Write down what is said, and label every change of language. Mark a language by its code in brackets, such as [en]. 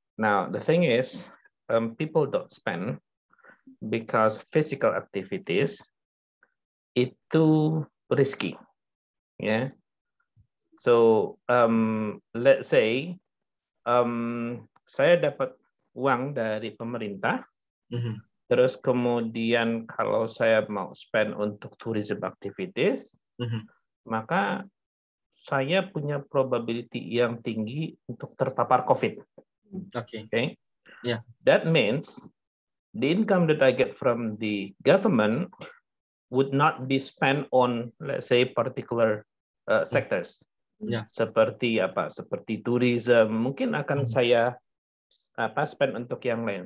[en] Now, the thing is, people don't spend because physical activities itu risky. Yeah. [id] So, [en] let's say, [id] saya dapat uang dari pemerintah, terus kemudian kalau saya mau spend untuk tourism activities, maka saya punya probability yang tinggi untuk terpapar COVID. [en] Okay. Okay. Yeah. That means the income that I get from the government would not be spent on, let's say, particular sectors. Yeah. [id] Seperti apa? Seperti tourism. Mungkin akan saya spend untuk yang lain.